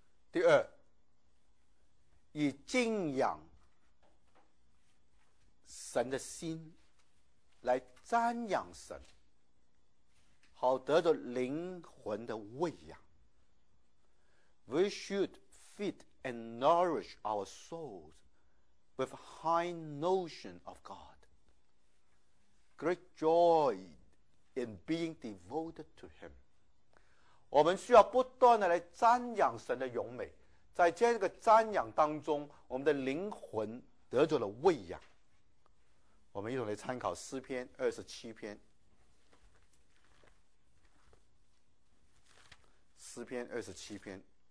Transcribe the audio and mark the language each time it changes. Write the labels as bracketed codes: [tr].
[zh] 第二，以敬仰神的心来瞻仰神，好得着灵魂的喂养。 [en] We shouldfeed and nourish our souls with high notion of God, great joy in being devoted to Him. [zh] 我们需要不断地来瞻仰神的荣美，在这个瞻仰当中，我们的灵魂得着了喂养。我们一同来参考诗篇27篇，诗篇27篇。